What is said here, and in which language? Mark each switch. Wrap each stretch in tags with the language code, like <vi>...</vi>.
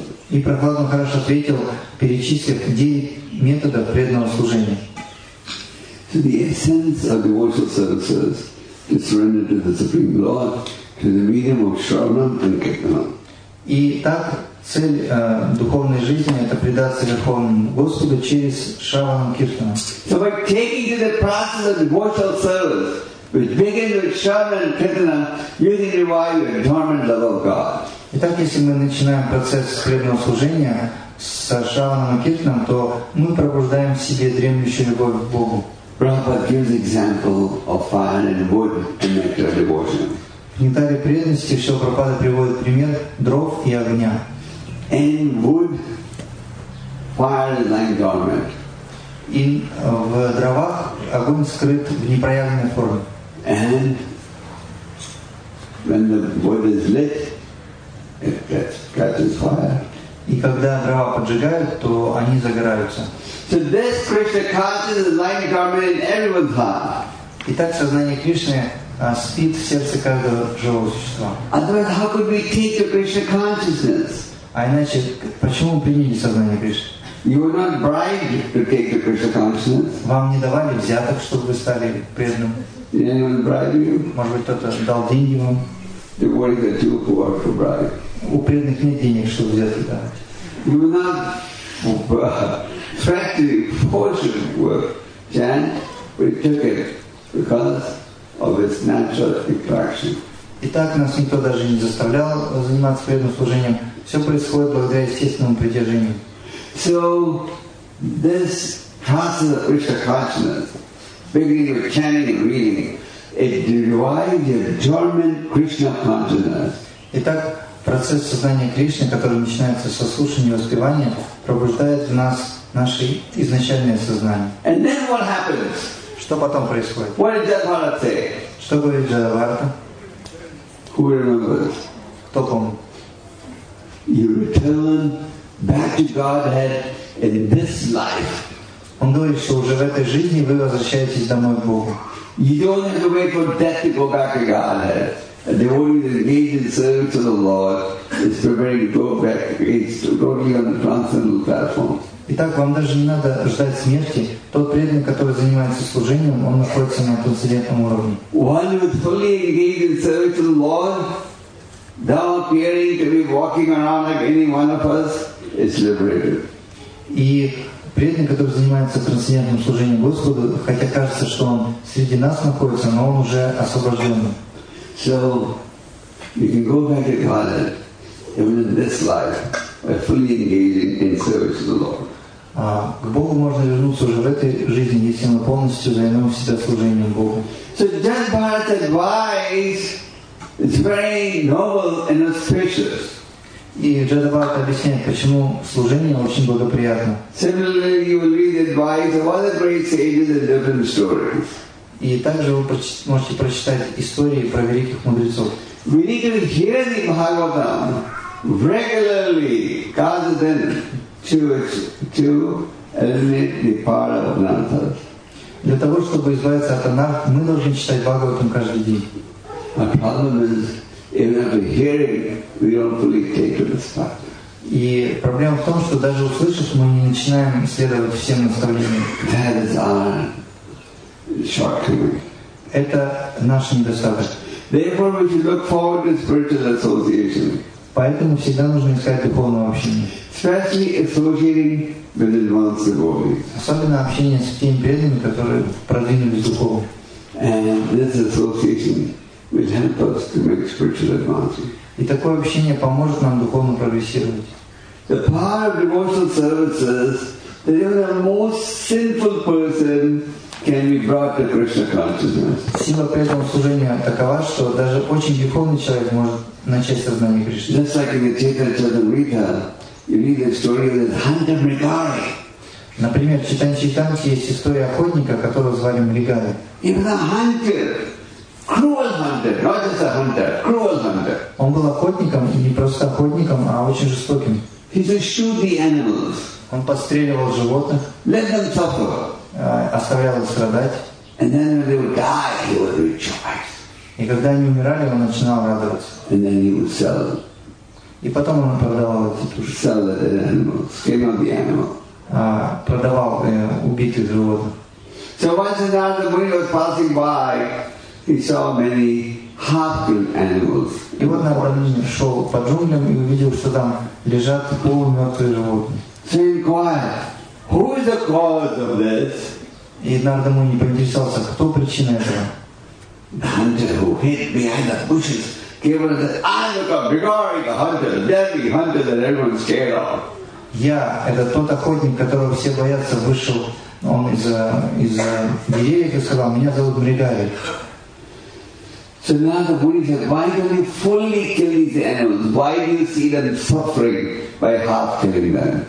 <ru>И Прохлад Махарадж ответил, перечислив 9 методов преданного служения.</ru> <en>So the essence of devotional service is to surrender to the Supreme Lord, to the medium of Shravanam and Kirtanam.</en> <ru>И так цель духовной жизни – это предаться Верховному Господу через Шраванам Киртанам.</ru> <en>So by taking to the process of devotional service, which begins with Shravanam Kirtanam, you can revive your dormant love of God.</en> <ru>Итак, если мы начинаем процесс преданного служения с Шраванам Киртанам, то мы пробуждаем в себе дремлющую любовь к Богу.</ru> <en>Prabhupada gives example of fire and wood to make your devotion.</en> <ru>В нектаре преданности все Прабхупада приводит пример дров и огня.</ru> <en>In wood, fire is like dormant.</en> <ru>И в дровах огонь скрыт в непроявленной форме.</ru> <en>And when the wood is lit, it catches fire.</en> <ru>И когда дрова поджигают, то они загораются.</ru> <en>So this Krishna consciousness is like dormant in everyone's heart.</en> <ru>Итак, сознание Кришны спит в сердце каждого живого существа.</ru> <en>Otherwise, how could we take to Krishna consciousness?</en> <ru>А иначе, почему мы приняли сознание Кришны?</ru> <en>You were not bribed to take the Krishna consciousness.</en> <ru>Вам не давали взяток, чтобы вы стали преданным.</ru> <en>Did anyone bribe you?</en> <ru>Может быть, кто-то дал деньги вам?</ru> <en>The word is that you who work for bribe.</en> <ru>У преданных нет денег, чтобы взяток давать.</ru> <en>You were not threatened, forced to chant, but took it because of its natural attraction.</en> <ru>Итак, нас никто даже не заставлял заниматься преданным служением. Все происходит благодаря естественному притяжению.</ru> <en>So this process of Krishna consciousness, beginning with chanting and reading, it derives a dormant Krishna consciousness.</en> <ru>Итак, процесс сознания Кришны, который начинается со слушания и воспевания, пробуждает в нас наше изначальное сознание.</ru> <en>And then what happens?</en> <ru>Что потом происходит?</ru> <en>What did Jayavarta say?</en> <ru>Что говорит Джайаварта?</ru> <en>Who remembers?</en> <ru>Кто помнит?</ru> <en>You return back to Godhead in this life.</en> <ru>Он говорит, что уже в этой жизни вы возвращаетесь домой к Богу.</ru> <en>You don't have to wait for death to go back to Godhead. A devotee is engaged in service to the Lord, is preparing to go back, is going on the transcendental platform.</en> <ru>Итак, вам даже не надо ждать смерти. Тот преданный, который занимается служением, он находится на трансцендентном уровне.</ru> <en>One who is fully engaged in service to the Lord, now appearing to be walking around like any one of us, is liberated.</en> <ru>И преданный, который занимается трансцендентным служением Господу, хотя кажется, что он среди нас находится, но он уже освобожденный.</ru> <en>So you can go back to Godhead even in this life by fully engaging in service to the Lord.</en> <ru>К Богу можно вернуться уже в этой жизни, если мы полностью займем себя служением Богу.</ru> <en>So Jayavarta's advice is very noble and auspicious.</en> <ru>И Jayavarta объясняет, почему служение очень благоприятно.</ru> <en>Similarly, you will read the advice of other great sages in different stories.</en> <ru>И также вы можете прочитать истории про великих мудрецов.</ru> <en>We need to hear the Bhagavatam regularly, rather than to eliminate the power of anarthas.</en> <ru>Для того, чтобы избавиться от анарх, мы должны читать Бхагаватам каждый день.</ru> <en>The problem is, even after hearing, we don't fully take to the spot.</en> <ru>И проблема в том, что даже услышав, мы не начинаем следовать всем наставлениям.</ru> <en>That is our shortcoming.</en> <ru>Это наш недостаток.</ru> <en>Therefore, we should look forward to spiritual association.</en> <ru>Поэтому всегда нужно искать духовное общение.</ru> <en>Especially associating with advanced devotees.</en> <ru>Особенно общение с теми преданными, которые продвинулись духовно.</ru> <en>And this association will help us to make spiritual advancement.</en> <ru>И такое общение поможет нам духовно прогрессировать.</ru> <en>The power of devotional service is that even the most sinful person can be brought to Krishna consciousness.</en> <ru>Сила преданного служения такова, что даже очень духовный человек может начать сознание Кришны.</ru> <en>Just like in the Chaitanya Charitamrita, you read the story of the hunter Mrigari.</en> <ru>Например, в Чайтанья Чаритамрите есть история охотника, которого звали Мригари.</ru> <en>Even a hunter, cruel hunter, not just a hunter, cruel hunter.</en> <ru>Он был охотником, не просто охотником, а очень жестоким.</ru> <en>He used to shoot the animals.</en> <ru>Он подстреливал животных.</ru> <en>Let them suffer.</en> <ru>Оставлял их страдать.</ru> <en>And then when they would die, he would rejoice.</en> <ru>И когда они умирали, он начинал радоваться.</ru> <en>And then he would sell them.</en> <ru>И потом он продавал эти туши.</ru> <en>Sell the animal, skin of the animal.</en> <ru>Продавал убитых животных.</ru> <en>So once another Muni was passing by, he saw many half-killed animals.</en> <ru>И вот на Брамине шел по джунглям и увидел, что там лежат полумертвые животные.</ru> <en>So quiet. Who is the cause of this?</en> <ru>И Нарада Муни поинтересовался, кто причина этого.</ru> <en>The hunter who hid behind the bushes came and said, I am Mrigari, the hunter, the deadly hunter that everyone is scared of.</en> <ru>Я, это тот охотник, которого все боятся, вышел он из деревьев и сказал, меня зовут Мригари.</ru> <en>So Нарада Муни said, why don't you fully kill these animals? Why do you see them suffering? By half killing them.</en>